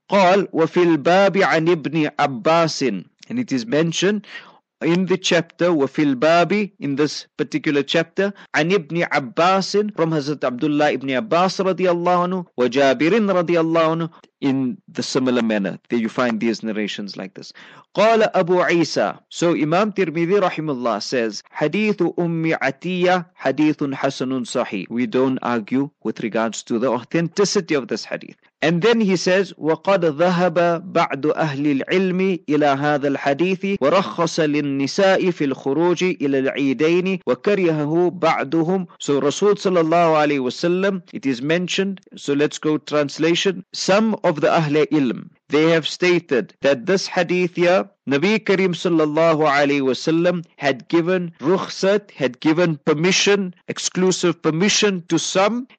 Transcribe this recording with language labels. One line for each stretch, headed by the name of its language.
Arabic: قال وفي الباب عن ابن عباس,
English: and it is mentioned in the chapter
Arabic: وفي الباب,
English: in this particular chapter,
Arabic: عن ابن عباس,
English: from Hazrat Abdullah ibn Abbas
Arabic: رضي الله عنه وجابر رضي الله عنه,
English: in the similar manner that you find these narrations like this.
Arabic: قال أبو عيسى,
English: so Imam Tirmidhi rahimullah says,
Arabic: حديث أم عتية حديث حسن صحيح.
English: We don't argue with regards to the authenticity of this hadith. And then he says,
Arabic: وَقَدْ ذَهَبَ بَعْدُ أَهْلِ الْعِلْمِ إِلَى هَذَا الْحَدِيثِ وَرَخَّصَ لِلنِّسَاءِ فِي الْخُرُوجِ إِلَى الْعِيدَيْنِ وَكَرِهَهُ بَعْدُهُمْ.
English: So Rasul sallallahu alayhi wa sallam, it is mentioned, so let's go translation. Some of the Ahl-e-Ilm, they have stated that this hadith here, Nabi Kareem sallallahu alayhi wasallam had given rukhsat, had given permission, exclusive permission to some.